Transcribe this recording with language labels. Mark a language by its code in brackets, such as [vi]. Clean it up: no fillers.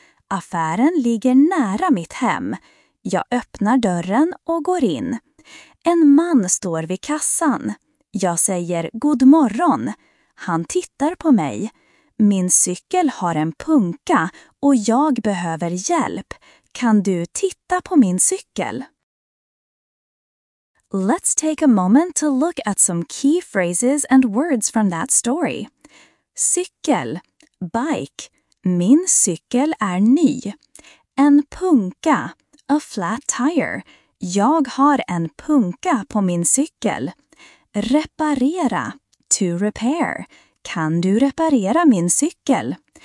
[sv] Affären ligger nära mitt hem. Jag öppnar dörren och går in. En man står vid kassan. Jag säger god morgon. Han tittar på mig. Min cykel har en punka och jag behöver hjälp. Kan du titta på min cykel? [en] Let's take a moment to look at some key phrases and words from that story. [sv] Cykel, [en] bike, [sv] min cykel är ny. En punka, [en] a flat tire, [sv] jag har en punka på min cykel. Reparera, [en] to repair, [sv] kan du reparera min cykel?